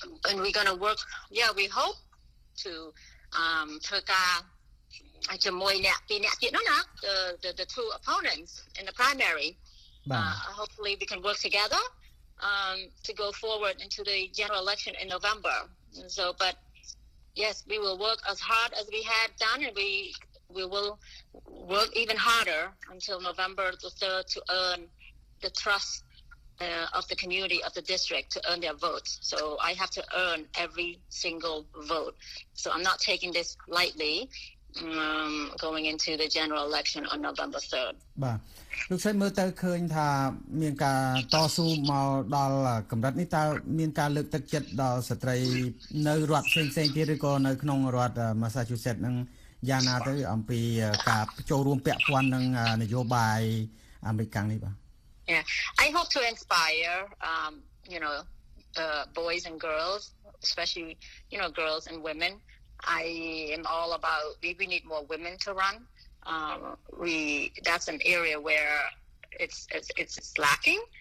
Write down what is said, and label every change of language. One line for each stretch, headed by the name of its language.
English: and we going to work yeah we hope to
Khmer: ធ្វើការជាមួយអ្នកពីរអ្នកទៀតនោះណា
English: the two opponents in the primary hopefully we can work together to go forward into the general election in November so butYes, we will work as hard as we had done, and we will work even harder until November the 3rd to earn the trust of the community, of the district, to earn their votes. So I have to earn every single vote. So I'm not taking this lightly going into the general election on November 3rd.
Khmer: លោកសៃមើលទៅឃើញថាមានការតស៊ូមកដល់កម្រិតនេះតើមានការលើកទឹកចិត្តដល់ស្ត្រីនៅរដ្ឋផ្សេងៗទៀតឬក៏នៅក្នុងរដ្ឋ Massachusetts ហ្នឹងយ៉ាងណាទៅអំពីការចូលរួមពាក់ព័ន្ធនឹងនយោបាយអាមេរិកនេះបាទ
English: Yeah I hope to inspire you know boys and girls especially you know girls and women I am all about we need more women to runthat's an area where it's lacking.